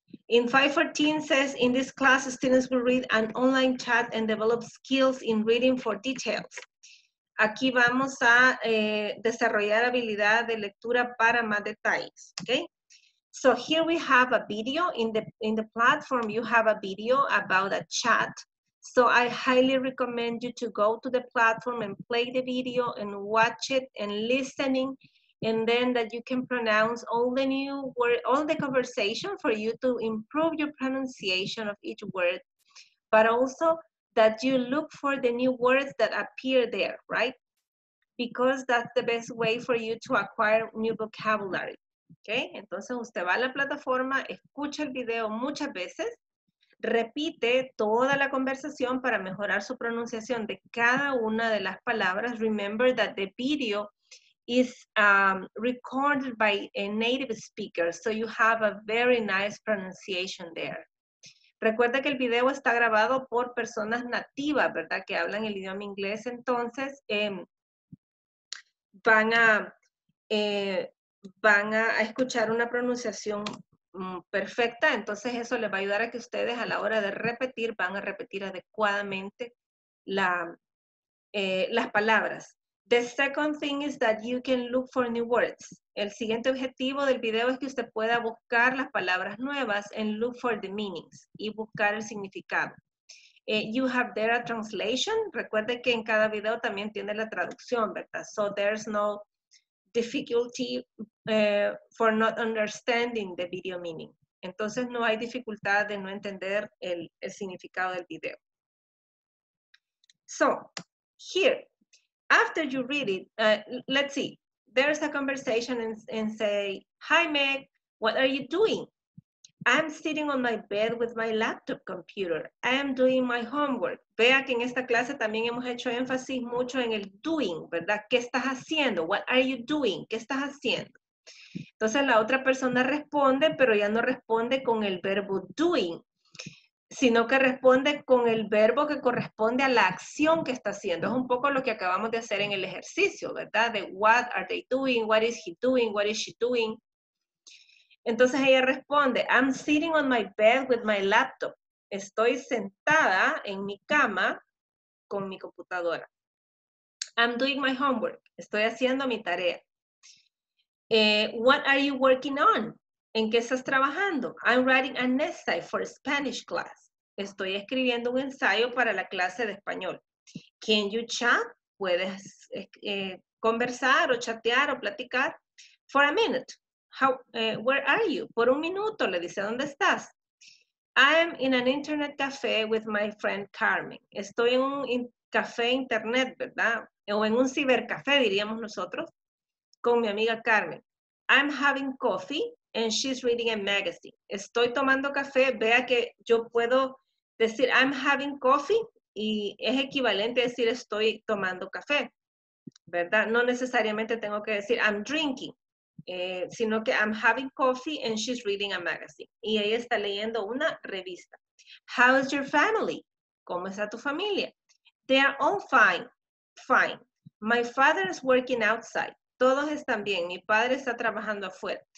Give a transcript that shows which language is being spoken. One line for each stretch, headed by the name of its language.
English: In 514 says, in this class, students will read an online chat and develop skills in reading for details.
Spanish: Aquí vamos a desarrollar habilidad de lectura para más detalles, okay?
English: So here we have a video. In the platform, you have a video about a chat. So I highly recommend you to go to the platform and play the video and watch it and listening, and then that you can pronounce all the new word, all the conversation for you to improve your pronunciation of each word, but also that you look for the new words that appear there, right? Because that's the best way for you to acquire new vocabulary, okay?
Spanish: Entonces usted va a la plataforma, escucha el video muchas veces, repite toda la conversación para mejorar su pronunciación de cada una de las palabras.
English: Remember that the video is recorded by a native speaker, so you have a very nice pronunciation there.
Spanish: Recuerda que el video está grabado por personas nativas, ¿verdad? Que hablan el idioma inglés. Entonces, van a escuchar una pronunciación perfecta. Entonces, eso les va a ayudar a que ustedes a la hora de repetir, van a repetir adecuadamente las palabras.
English: The second thing is that you can look for new words.
Spanish: El siguiente objetivo del video es que usted pueda buscar las palabras nuevas
English: and look for the meanings
Spanish: y buscar el significado.
English: You have there a translation.
Spanish: Recuerde que en cada video también tiene la traducción, ¿verdad?
English: So there's no difficulty for not understanding the video meaning.
Spanish: Entonces no hay dificultad de no entender el significado del video.
English: So, here, after you read it, let's see. There's a conversation and say, hi Meg, what are you doing? I'm sitting on my bed with my laptop computer. I am doing my homework.
Spanish: Vea que en esta clase también hemos hecho énfasis mucho en el doing, ¿verdad? ¿Qué estás haciendo?
English: What are you doing?
Spanish: ¿Qué estás haciendo? Entonces la otra persona responde, pero ya no responde con el verbo doing, sino que responde con el verbo que corresponde a la acción que está haciendo. Es un poco lo que acabamos de hacer en el ejercicio, ¿verdad?
English: De what are they doing, what is he doing, what is she doing.
Spanish: Entonces ella responde,
English: I'm sitting on my bed with my laptop.
Spanish: Estoy sentada en mi cama con mi computadora.
English: I'm doing my homework.
Spanish: Estoy haciendo mi tarea.
English: What are you working on?
Spanish: ¿En qué estás trabajando?
English: I'm writing an essay for Spanish class.
Spanish: Estoy escribiendo un ensayo para la clase de español.
English: Can you chat?
Spanish: ¿Puedes conversar o chatear o platicar?
English: For a minute. Where are you?
Spanish: Por un minuto, le dice, ¿dónde estás?
English: I'm in an internet cafe with my friend Carmen.
Spanish: Estoy en un café internet, ¿verdad? O en un cibercafé, diríamos nosotros, con mi amiga Carmen.
English: I'm having coffee. And she's reading a magazine.
Spanish: Estoy tomando café. Vea que yo puedo decir,
English: I'm having coffee.
Spanish: Y es equivalente a decir, estoy tomando café. ¿Verdad? No necesariamente tengo que decir,
English: I'm drinking.
Spanish: Sino que
English: I'm having coffee and she's reading a magazine.
Spanish: Y ella está leyendo una revista.
English: How is your family?
Spanish: ¿Cómo está tu familia?
English: They are all fine. Fine. My father is working outside.
Spanish: Todos están bien. Mi padre está trabajando afuera.